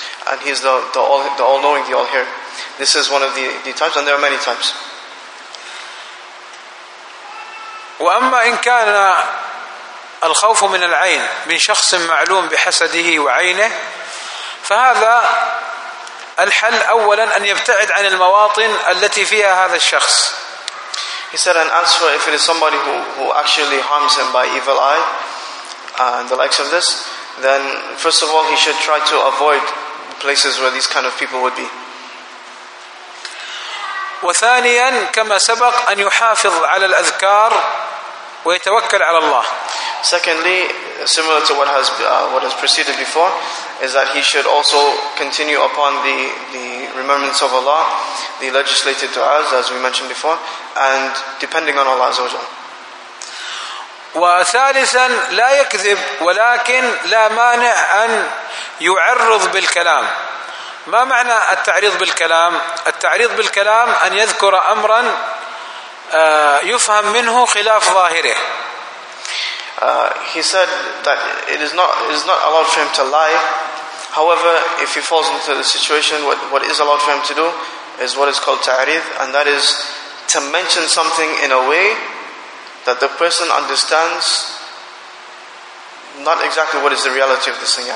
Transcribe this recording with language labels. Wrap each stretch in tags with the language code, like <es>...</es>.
<en>And he is the all-knowing, the all-hearing. This is one of the types, and there are many types.</en> <ar>وأما إن كان الخوف من العين من شخص معلوم بحسده وعينه فهذا الحل أولا أن يبتعد عن المواطن التي فيها هذا الشخص.</ar> <en>He said an answer if it is somebody who actually harms him by evil eye and the likes of this, then first of all he should try to avoid places where these kind of people would be.</en> <ar>وثانيا كما سبق أن يحافظ على الأذكار ويتوكل على الله.</ar> <en>Secondly, similar to what has preceded before, is that he should also continue upon the remembrance of Allah, the legislated du'as, as we mentioned before, and depending on Allah Azza wa Jalla.</en> <ar>وثالثا لا يكذب ولكن لا مانع أن يعرض بالكلام. ما معنى التعريض بالكلام؟ التعريض بالكلام أن يذكر أمرا يفهم منه خلاف ظاهره.</ar> <en>He said that it is not allowed for him to lie. However, if he falls into the situation, what is allowed for him to do is what is called ta'rid, and that is to mention something in a way that the person understands not exactly what is the reality of this thing.</en>